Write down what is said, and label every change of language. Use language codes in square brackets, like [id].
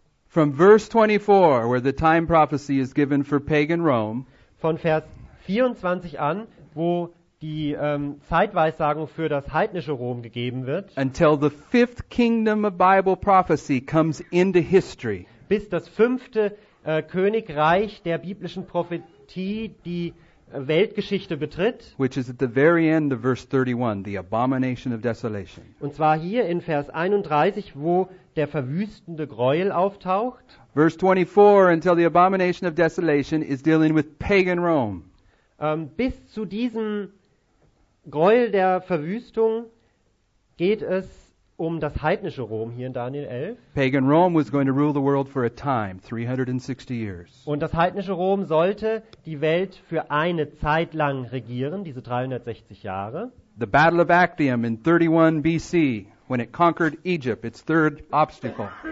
[en] from verse 24 where the time prophecy is given for pagan Rome. [de] Von Vers 24 an, wo die Zeitweissagung für das heidnische Rom gegeben wird. [en] Until the fifth kingdom of Bible prophecy comes into history. [de] Bis das fünfte Königreich der biblischen Prophetie die Weltgeschichte betritt. [en] Which is at the very end of verse 31, the abomination of desolation. [de] Und zwar hier in Vers 31, wo der verwüstende Greuel auftaucht. [en] Verse 24, until the abomination of desolation is dealing with pagan Rome. [de] Bis zu diesem Greuel der Verwüstung geht es um das heidnische Rom hier in Daniel 11. [en] Pagan Rome was going to rule the world for a time, 360 years. [de] Und das heidnische Rom sollte die Welt für eine Zeit lang regieren, diese 360 Jahre. [en] The Battle of Actium in 31 BC, when it conquered Egypt, its third obstacle.